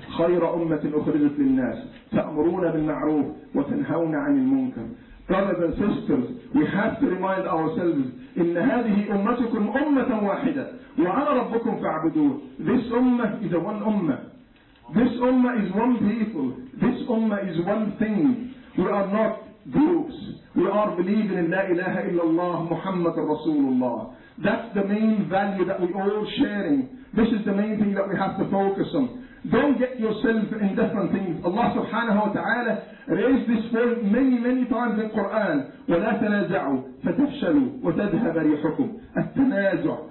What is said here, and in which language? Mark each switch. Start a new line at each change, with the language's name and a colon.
Arabic: خَيْرَ أُمَّةٍ أُخْرِجَتْ لِلنَّاسِ تَأْمُرُونَ بِالْمَعْرُوفِ وَتَنْهَوْنَ عَنِ الْمُنْكَرِ.
English: Brothers and sisters, we have to remind ourselves,
Arabic: إِنَّ هَذِهِ أُمَّتُكُمْ أُمَّةً وَاحِدَةً. وَعَلَى رَبُّكُمْ فَاعْبُدُوهُ.
English: This ummah is a one ummah. This ummah is one people. This ummah is one thing. We are not groups. We are believing in
Arabic: لا إله إلا الله محمد رسول الله.
English: That's the main value that we all sharing. This is the main thing that we have to focus on. Don't get yourself in different things. Allah subhanahu wa ta'ala raised this point many, many times in Quran.
Arabic: وَلَا تَنَازَعُوا فَتَفْشَلُوا وَتَذْهَبَ رِيحُكُمْ. التَنَازُعُ.